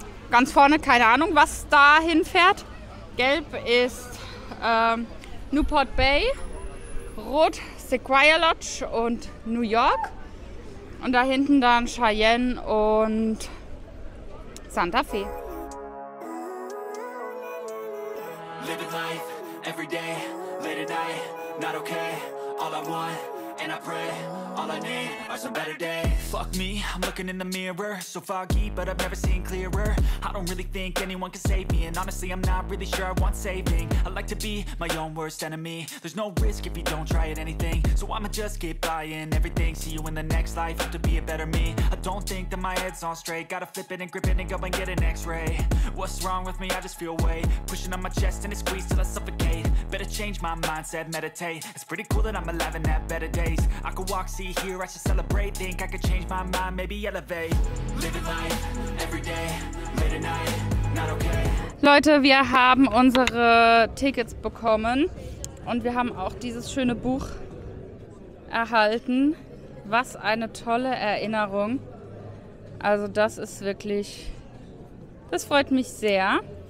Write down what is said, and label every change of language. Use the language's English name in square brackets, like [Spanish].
[German] Ganz vorne, keine Ahnung, was da hinfährt. Gelb ist Newport Bay, rot Sequoia Lodge und New York. Und da hinten dann Cheyenne und Santa Fe. [English] Living life, every day, late at night, not okay. All I want, and I pray. All I need are some better days. Fuck me, I'm looking in the mirror. So foggy, but I've never seen clearer. I don't really think anyone can save me. And honestly, I'm not really sure I want saving. I like to be my own worst enemy. There's no risk if you don't try at anything. So I'ma just keep buying everything. See you in the next life, hope to be a better me. I don't think that my head's on straight. Gotta flip it and grip it and go and get an x-ray. What's wrong with me? I just feel weight pushing on my chest and it squeezes till I suffocate. Better change my mindset, meditate. It's pretty cool that I'm alive and have better days. I could walk, see, hear, I should celebrate. Think I could change my mind, maybe elevate. Living life, every day, late at night, not okay. [German] Leute, wir haben unsere Tickets bekommen. Und wir haben auch dieses schöne Buch erhalten. Was eine tolle Erinnerung. Also das ist wirklich, das freut mich sehr.